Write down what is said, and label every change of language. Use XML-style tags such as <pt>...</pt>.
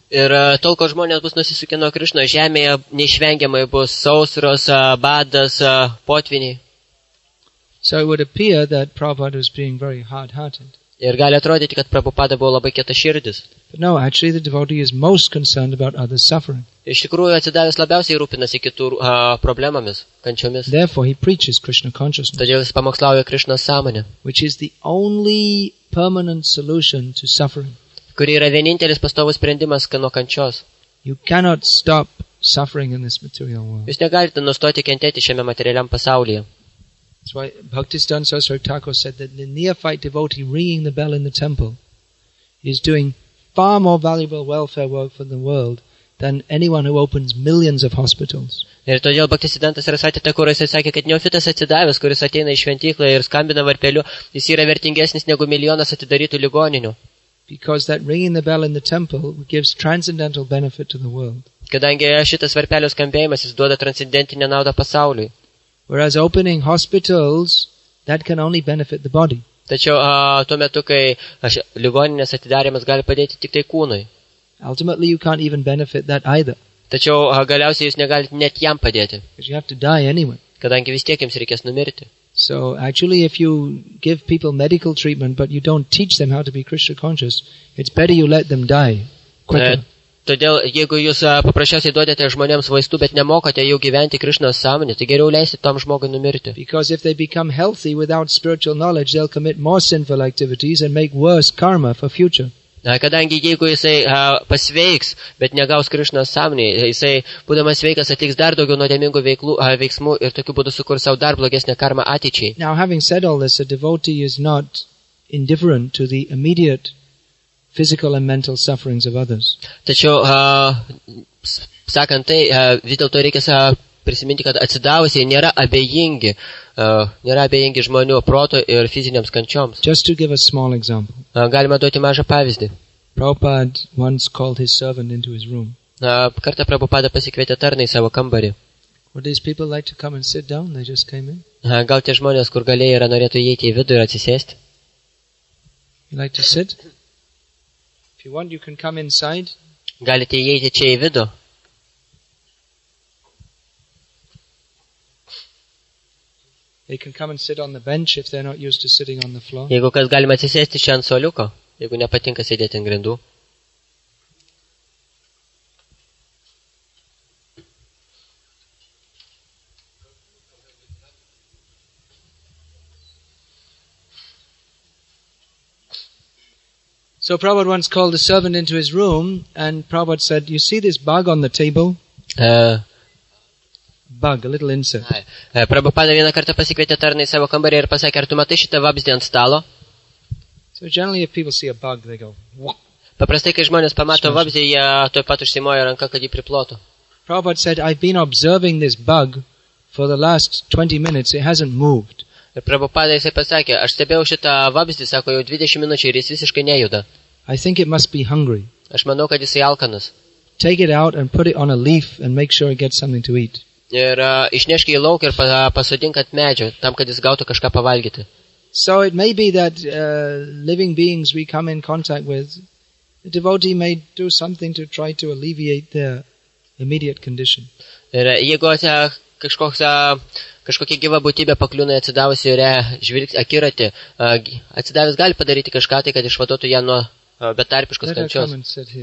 <lt>Ir tol, kol žmonės bus nusisukę nuo Krišno, žemėje neišvengiamai bus sausros, badas, potviniai.</lt> <en>So it would appear that Prabhupada was being very hard-hearted.</en> <lt>Ir gali atrodyti, kad Prabhupada buvo labai kieta širdis.</lt> <en>But no, actually the devotee is most concerned about others' suffering.</en> <lt>Iš tikrųjų, atsidavęs labiausiai rūpinasi kitų problemomis, kančiomis.</lt> <en>Therefore he preaches Krishna consciousness.</en> <lt>Todėl jis pamokslauja Krishna sąmonę.</lt> <en>Which is the only permanent solution to suffering.</en> <lt>Kuri yra vienintelis pastovus sprendimas nuo kančios.</lt> <en>You cannot stop suffering in this material world.</en> <lt>Jūs negalite nustoti kentėti šiame materialiam pasaulyje.</lt> <en>That's why Bhaktisiddhanta Saraswati Thakur said that the neophyte devotee ringing the bell in the temple is doing far more valuable welfare work for the world than anyone who opens millions of hospitals.</en> <lt>Ir todėl Bhaktisiddhanta Saraswati Thakur sakė, kad neofitas atsidavęs, kuris ateina į šventyklą ir skambina varpeliu, jis yra vertingesnis negu milijonas atidarytų ligoninių.</lt> <en>Because that ringing the bell in the temple gives transcendental benefit to the world.</en> <lt>Kadangi šitas varpelio skambėjimas jis duoda transcendentinę naudą pasauliui.</lt> <en>Whereas opening hospitals, that can only benefit the body.</en> <lt>Tačiau tuo metu, kai ligoninės atidarymas gali padėti tik tai kūnui.</lt> <en>Ultimately you can't even benefit that either.</en> <lt>Tačiau galiausiai jūs negalite net jam padėti.</lt> <en>You have to die anyway.</en> <lt>Kadangi vis tiek jums reikės numirti.</lt> <en>So actually if you give people medical treatment but you don't teach them how to be Krishna conscious, it's better you let them die quicker.</en> <lt>Todėl jeigu jūs paprasčiausiai duodate žmonėms vaistų, bet nemokate jų gyventi Krishna sąmonė, tai geriau leisti tam žmogui numirti.</lt> <en>Because if they become healthy without spiritual knowledge, they'll commit more sinful activities and make worse karma for future.</en> <lt>Kadangi jeigu jisai pasveiks, bet negaus Krishna sąmonį, jisai būdamas sveikas atliks dar daugiau nuodėmingų veiksmų ir tokiu būdu sukurs savo dar blogesnę karmą ateičiai.</lt> <en>Now having said all this, a devotee is not indifferent to the immediate physical and mental sufferings of others.</en> <lt>Tačiau sakant tai, vis dėlto reikia prisiminti, kad atsidavusiai nėra abejingi žmonių proto ir fiziniams kančioms.</lt> <en>Just to give a small example.</en> <lt>Galima duoti mažą pavyzdį.</lt> <en>Prabhupada once called his servant into his room.</en> <lt>Kartą Prabhupada pasikvietė tarną į savo kambarį.</lt> <en>Would these people like to come and sit down? They just came in.</en> <lt>Gal tie žmonės, kur galėjo yra, norėtų įeiti į vidų ir atsisėsti?</lt> <en>You like to sit? If you want, you can come inside.</en> <lt>Galite įeiti čia į vidų.</lt> <en>They can come and sit on the bench if they're not used to sitting on the floor.</en> <lt>Jeigu kas galima atsisėsti čia ant soliuko, jeigu nepatinka sėdėti ant grindų.</lt> <en>So Prabhupada once called the servant into his room and Prabhupada said, "You see this bug on the table?" Bug, a little insect.</en> <lt>Prabhupada vieną kartą pasikvietė tarną į savo kambarį ir pasakė, ar tu matai šitą vabzdį ant stalo?</lt> <en>So generally if people see a bug, they go, "Wah!"</en> <lt>Paprastai, kai žmonės pamato vabzdį, jie tuoj pat užsimoja ranka, kad jį priplotų.</lt> <en>Prabhupada said, "I've been observing this bug for the last 20 minutes, it hasn't moved."</en> <lt>Ir Prabhupada jisai pasakė, aš stebėjau šitą vabzdį, sako, jau 20 minučių ir jis visiškai nejuda.</lt> <en>I think it must be hungry.</en> <lt>Aš manau, kad jisai alkanas.</lt> <en>Take it out and put it on a leaf and make sure it gets something to eat.</en> <lt>Ir išneškia į lauką ir pasodink ant medžio, tam, kad jis gautų kažką pavalgyti.</lt> <en>So it may be that living beings we come in contact with, the devotee may do something to try to alleviate their immediate condition.</en> <lt>Ir jeigu kažkokia gyva būtybė pakliūna atsidavusi ir akiratį, atsidavęs gali padaryti kažką tai, kad išvadotų ją nuo betarpiškos kančios.</lt>